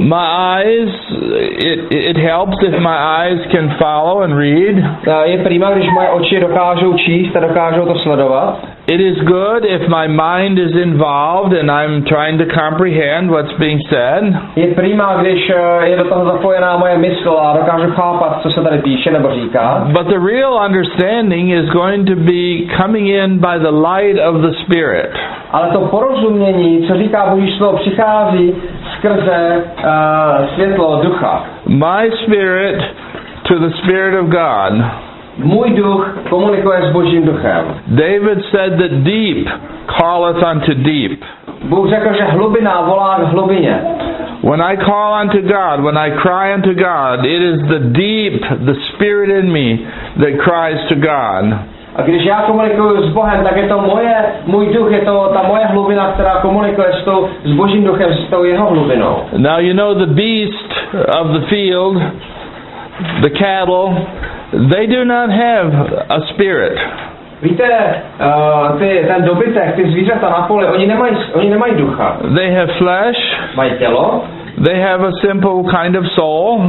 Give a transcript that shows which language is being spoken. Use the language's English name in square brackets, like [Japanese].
[English] My eyes, it helps if my eyes can follow and read. [Czech] Je prima, když moje oči dokážou číst a dokážou to sledovat. [English] It is good if my mind is involved and I'm trying to comprehend what's being said. [Czech] Je prima, když je do toho zapojená moje mysl a dokážu chápat, co se tady píše nebo říká. [English] But the real understanding is going to be coming in by the light of the Spirit. [Czech] Ale to porozumění, co říká Boží slovo, přichází skrze světlo ducha. [English] My spirit to the Spirit of God. [Czech] Můj duch komunikuje s Božím duchem. [English] David said that deep calleth unto deep. [Czech] Bůh řekl, že hlubina volá k hlubině. [English] When I call unto God, when I cry unto God, it is the deep, the spirit in me that cries to God. [Czech] A když já komunikuju s Bohem, tak je to moje, můj duch, je to ta moje hlubina, která komunikuje s Božím duchem, s tou jeho hlubinou. [English] Now you know the beast of the field, the cattle, they do not have a spirit. [Czech] Víte, ten dobytek, ty zvířata na poli, oni nemají ducha. [English] They have flesh. [Czech] Mají tělo. [English] They have a simple kind of soul.